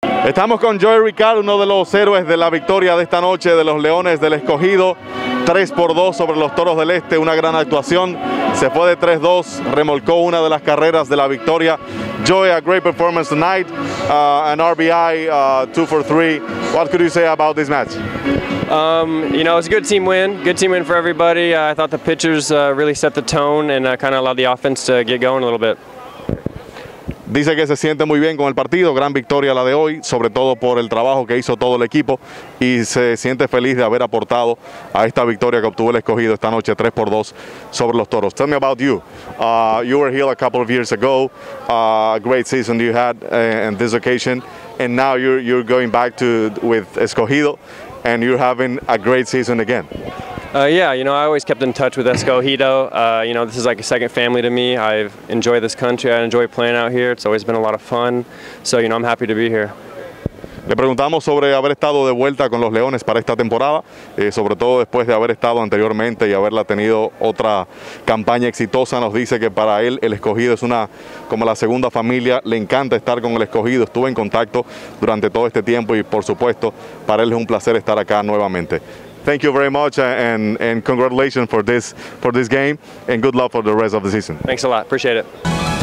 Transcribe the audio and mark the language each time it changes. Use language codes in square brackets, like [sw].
[es] Estamos con Joey Ricard, uno de los héroes de la victoria de esta noche de los Leones del Escogido. 3-2 sobre los Toros del Este, una gran actuación. Se fue de 3-2, remolcó una de las carreras de la victoria. [en] Joey, a great performance tonight, an RBI 2-for-3. What could you say about this match? You know, it was a good team win. Good team win for everybody. I thought the pitchers really set the tone and kind of allowed the offense to get going a little bit. [es] Dice que se siente muy bien con el partido, gran victoria la de hoy, sobre todo por el trabajo que hizo todo el equipo, y se siente feliz de haber aportado a esta victoria que obtuvo el Escogido esta noche, 3-2 sobre los Toros. [en] Tell me about you. You were here a couple of years ago, a great season you had in this occasion, and now you're going back to with Escogido, and you're having a great season again. Yeah, you know, I always kept in touch with Escogido. You know, this is like a second family to me. I've enjoyed this country. I enjoy playing out here. It's always been a lot of fun. So, you know, I'm happy to be here. [es] Le preguntamos sobre haber estado de vuelta con los Leones para esta temporada, sobre todo después de haber estado anteriormente y haberla tenido otra campaña exitosa. Nos dice que para él el Escogido es una como la segunda familia. Le encanta estar con el Escogido. Estuve en contacto durante todo este tiempo y, por supuesto, para él es un placer estar acá nuevamente. [en] Thank you very much, and congratulations for this game, and good luck for the rest of the season. Thanks a lot. Appreciate it.